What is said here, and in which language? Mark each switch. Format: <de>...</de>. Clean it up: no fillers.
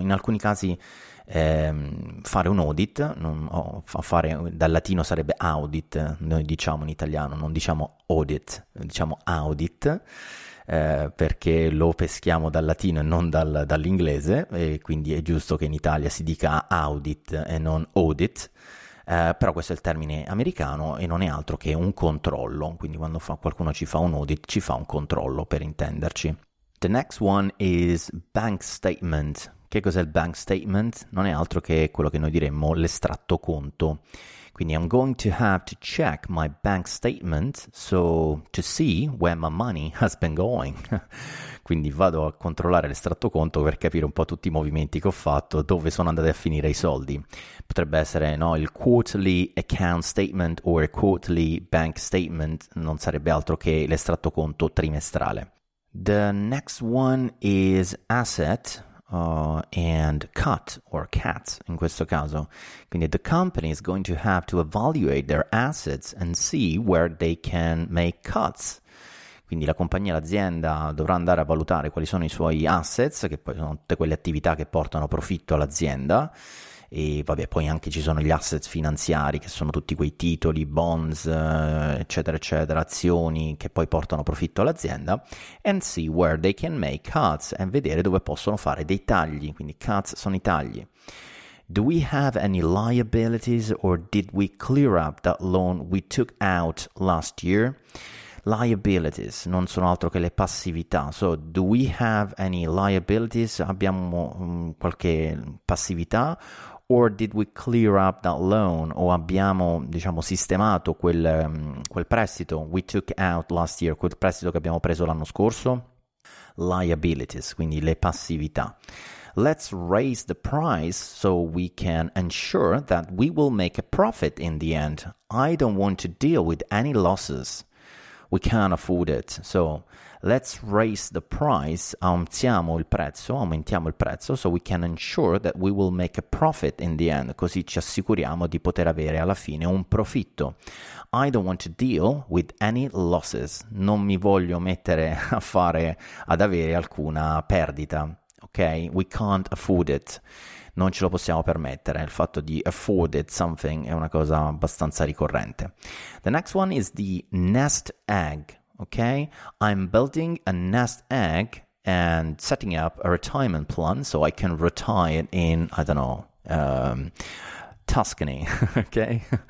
<it>In alcuni casi fare un audit, fare dal latino sarebbe audit, noi diciamo in italiano, non diciamo audit, diciamo audit, perché lo peschiamo dal latino e non dall'inglese, e quindi è giusto che in Italia si dica audit e non audit, però questo è il termine americano e non è altro che un controllo, quindi quando qualcuno ci fa un audit ci fa un controllo, per intenderci.</it> <en>The next one is bank statement.</en> <it>Che cos'è il</it> <en>bank statement?</en> <it>Non è altro che quello che noi diremmo l'estratto conto.</it> <en>Quindi I'm going to have to check my bank statement so to see where my money has been going.</en> <it>Quindi vado a controllare l'estratto conto per capire un po' tutti i movimenti che ho fatto, dove sono andati a finire i soldi. Potrebbe essere, no, il</it> <en>quarterly account statement or a quarterly bank statement,</en> <it>non sarebbe altro che l'estratto conto trimestrale.</it> <en>The next one is asset and cut or cut</en> <it>in questo caso.</it> <en>Quindi the company is going to have to evaluate their assets and see where they can make cuts.</en> <it>Quindi la compagnia, l'azienda dovrà andare a valutare quali sono i suoi assets, che poi sono tutte quelle attività che portano profitto all'azienda. E vabbè, poi anche ci sono gli assets finanziari, che sono tutti quei titoli, bonds, eccetera eccetera, azioni che poi portano profitto all'azienda,</it> <en>and see where they can make cuts,</en> <it>e vedere dove possono fare dei tagli, quindi cuts sono i tagli.</it> <en>Do we have any liabilities or did we clear up that loan we took out last year?</en> <it>Liabilities non sono altro che le passività.</it> <en>So, do we have any liabilities?</en> <it>Abbiamo qualche passività?</it> <en>Or did we clear up that loan?</en> <it>O abbiamo, diciamo, sistemato quel prestito</it> <en>we took out last year,</en> <it>quel prestito che abbiamo preso l'anno scorso? Liabilities, quindi le passività.</it> <en>Let's raise the price so we can ensure that we will make a profit in the end. I don't want to deal with any losses. We can't afford it. So let's raise the price,</en> <it>aumentiamo il prezzo,</it> <en>so we can ensure that we will make a profit in the end,</en> <it>così ci assicuriamo di poter avere alla fine un profitto.</it> <en>I don't want to deal with any losses,</en> <it>non mi voglio mettere a fare, ad avere alcuna perdita, ok?</it> <en>We can't afford it.</en> <it>Non ce lo possiamo permettere, il fatto di</it> <en>afforded something</en> <it>è una cosa abbastanza ricorrente.</it> <en>The next one is the nest egg, okay? I'm building a nest egg and setting up a retirement plan so I can retire in, I don't know, Tuscany, okay?</en>